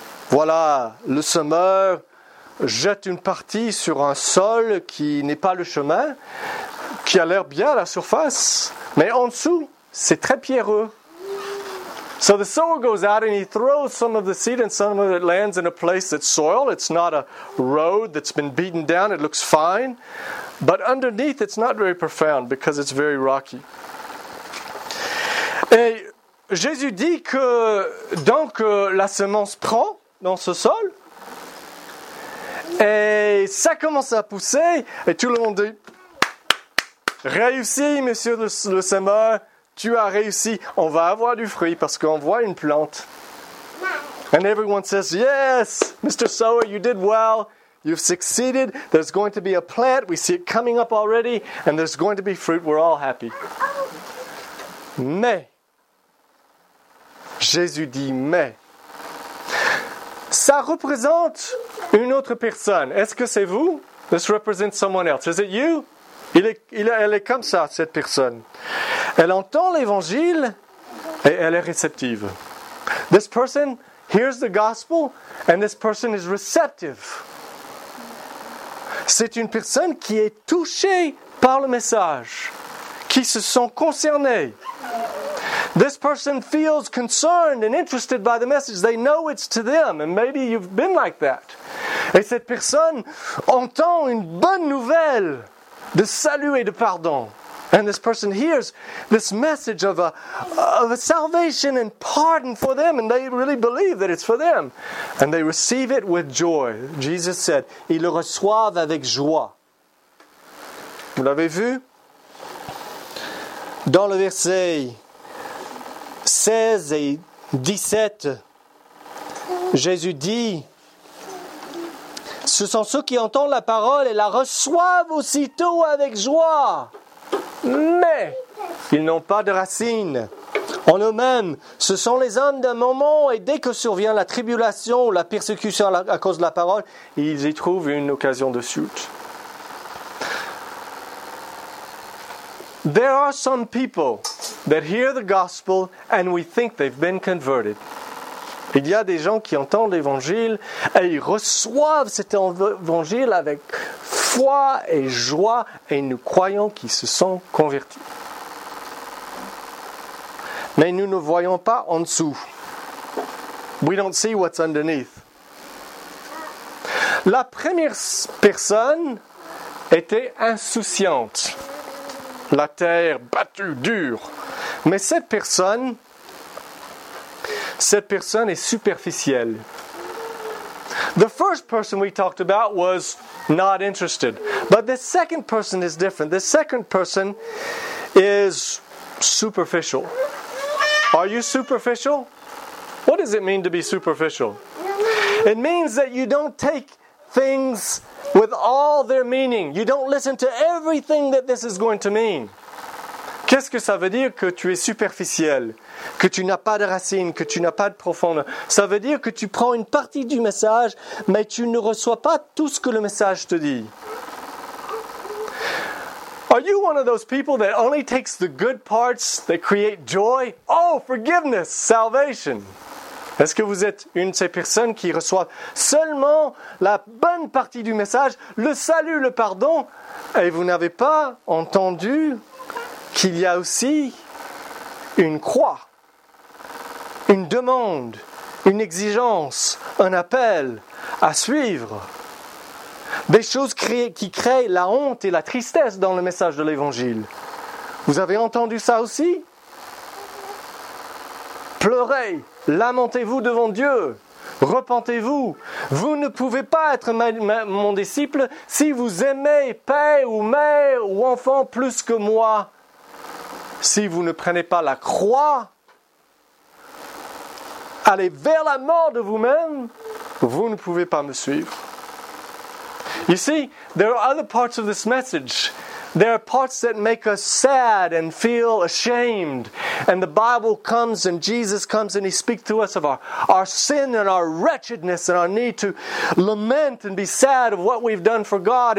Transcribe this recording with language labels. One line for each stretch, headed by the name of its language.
French: Voilà, le semeur jette une partie sur un sol qui n'est pas le chemin, qui a l'air bien à la surface, mais en dessous, c'est très pierreux.
English: So the sower goes out and he throws some of the seed and some of it lands in a place that's soil. It's not a road that's been beaten down. It looks fine. But underneath, it's not very profound because it's very rocky.
French: Et Jésus dit que donc la semence prend dans ce sol et ça commence à pousser et tout le monde dit réussi, monsieur le semeur, tu as réussi. On va avoir du fruit parce qu'on voit une plante.
English: And everyone says, yes, Mr. Sower, you did well. You've succeeded. There's going to be a plant. We see it coming up already. And there's going to be fruit. We're all happy.
French: Mais, Jésus dit mais. Ça représente une autre personne. Est-ce que c'est vous?
English: This represents someone else. Is it you?
French: Elle est comme ça, cette personne. Elle entend l'évangile et elle est réceptive.
English: This person hears the gospel and this person is receptive.
French: C'est une personne qui est touchée par le message, qui se sent concernée.
English: This person feels concerned and interested by the message. They know it's to them, and maybe you've been like that.
French: Et cette personne entend une bonne nouvelle de salut et de pardon.
English: And this person hears this message of a salvation and pardon for them, and they really believe that it's for them. And they receive it with joy. Jesus said,
French: ils le reçoivent avec joie. Vous l'avez vu? Dans le verset 16 et 17, Jésus dit, ce sont ceux qui entendent la parole et la reçoivent aussitôt avec joie. Mais, ils n'ont pas de racines. En eux-mêmes, ce sont les hommes d'un moment et dès que survient la tribulation ou la persécution à cause de la parole, ils y trouvent une occasion de chute.
English: There are some people that hear the gospel and we think they've been converted.
French: Il y a des gens qui entendent l'évangile et ils reçoivent cet évangile avec foi et joie et nous croyons qu'ils se sont convertis. Mais nous ne voyons pas en dessous.
English: We don't see what's underneath.
French: La première personne était insouciante. La terre battue, dure. Mais cette personne est superficielle.
English: The first person we talked about was not interested. But the second person is different. The second person is superficial. Are you superficial? What does it mean to be superficial? It means that you don't take things with all their meaning. You don't listen to everything that this is going to mean.
French: Qu'est-ce que ça veut dire que tu es superficiel? Que tu n'as pas de racines, que tu n'as pas de profondeur? Ça veut dire que tu prends une partie du message, mais tu ne reçois pas tout ce que le message te dit.
English: Are you one of those people that only takes the good parts that create joy? Oh, forgiveness, salvation.
French: Est-ce que vous êtes une de ces personnes qui reçoit seulement la bonne partie du message, le salut, le pardon, et vous n'avez pas entendu qu'il y a aussi une croix, une demande, une exigence, un appel à suivre, des choses qui créent la honte et la tristesse dans le message de l'Évangile. Vous avez entendu ça aussi? Pleurez, lamentez-vous devant Dieu, repentez-vous. Vous ne pouvez pas être mon disciple si vous aimez père ou mère ou enfant plus que moi. Si vous ne prenez pas la croix, allez vers la mort de vous-même, vous ne pouvez pas me suivre.
English: You see, there are other parts of this message. There are parts that make us sad and feel ashamed. And the Bible comes and Jesus comes and He speaks to us of our sin and our wretchedness and our need to lament and be sad of what we've done for God.